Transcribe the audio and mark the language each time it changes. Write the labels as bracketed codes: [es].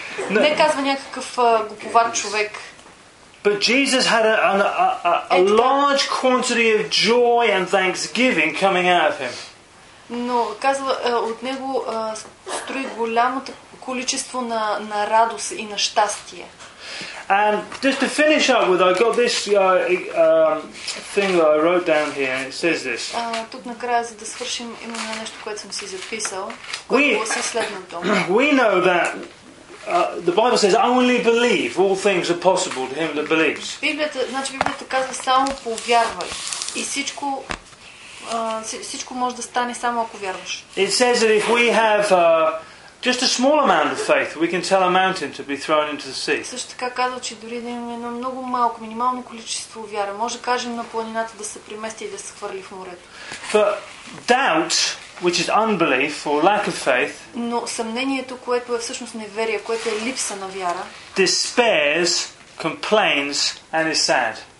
[bg] Не казва някакъв глуповат човек. [en] But Jesus had a large quantity of joy and thanksgiving coming out of him. [bg] Но казва от него строи голямото количество на радост и на щастие. [en] And just to finish up with, I got this thing that I wrote down here, and it says this. [bg] Тук накрая, за да свършим, имаме нещо, което съм си записал, което е следното. [en] We know that the Bible says only believe, all things are possible to him that believes. [bg] Библията казва само повярвай. И всичко може да стане само ако вярваш. [en] It says that if we have just a small amount of faith, we can tell a mountain to be thrown into the sea. [bg] Също така казва, че дори да имаме едно много малко, минимално количество вяра, може да кажем на планината да се премести и да се хвърли в морето. [en] But doubt, which is unbelief or lack of faith, [bg] но съмнението, което е всъщност неверие, което е липса на вяра, [en] despairs, complains and is sad.